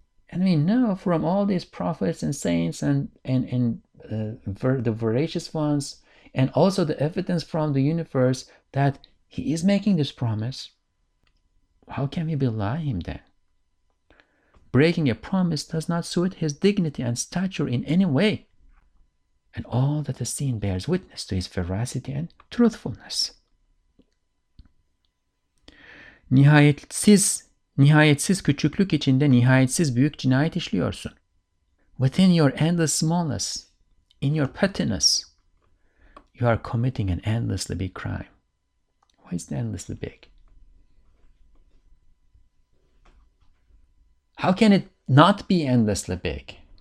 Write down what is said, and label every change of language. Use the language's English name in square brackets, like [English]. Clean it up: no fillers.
[English] And we know from all these prophets and saints and the veracious ones, and also the evidence from the universe, that he is making this promise. How can we belie him then? Breaking a promise does not suit his dignity and stature in any way. And all that is seen bears witness to his veracity and truthfulness. [Turkish] Nihayetsiz küçüklük içinde nihayetsiz büyük cinayet işliyorsun. [English] Within your endless smallness, in your pettiness, you are committing an endlessly big crime. Why is it endlessly big? How can it not be endlessly big?